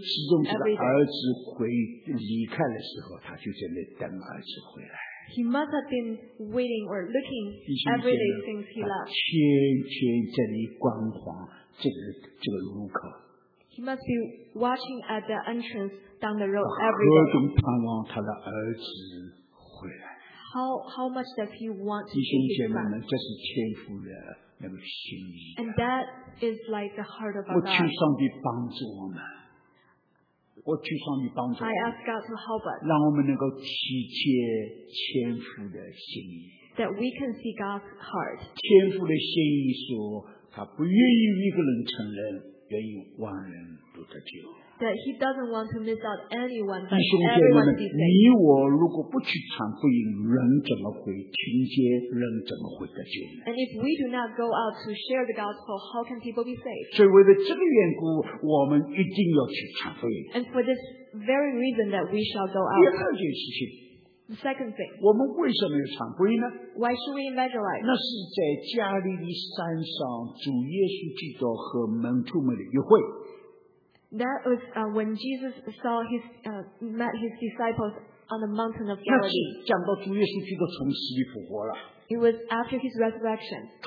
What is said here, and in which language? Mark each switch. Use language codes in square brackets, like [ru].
[zh] 始终是儿子离开的时候，他就在那等儿子回来。 [en] He must have been waiting or looking every day since he left. [zh] 天天在那观望这个路口。 [en] He must be watching at the entrance down the road every day. [zh] 何等盼望他的儿子回来。 [en] How much does he want to see his son? [zh] 弟兄姐妹们，这是天父的那个心意。 [en] And that. Is like the heart of our life. [zh] 我求上帝帮助我们。我求上帝帮助我们。 [en] I ask God to help us. [zh] 让我们能够体贴天父的心意。 [en] That we can see God's heart. [zh] 天父的心意说，他不愿意一个人承认，愿意万人都得救。 [en] That he doesn't want to miss out anyone. [zh] 弟兄姐妹们，你我如果不去传福音，人怎么会听见？人怎么会得救？ [en] And if we do not go out to share the gospel, how can people be saved? [zh] 所以为了这个缘故，我们一定要去传福音。 [en] And for this very reason that we shall go out. [zh] 第二件事情。 [en] The second thing. [zh] 我们为什么要传福音呢？ [en] Why should we evangelize? [zh] 那是在加利利山上，主耶稣基督和门徒们的约会。 [en] That was when Jesus met his disciples on the mountain of Galilee. It was after his resurrection.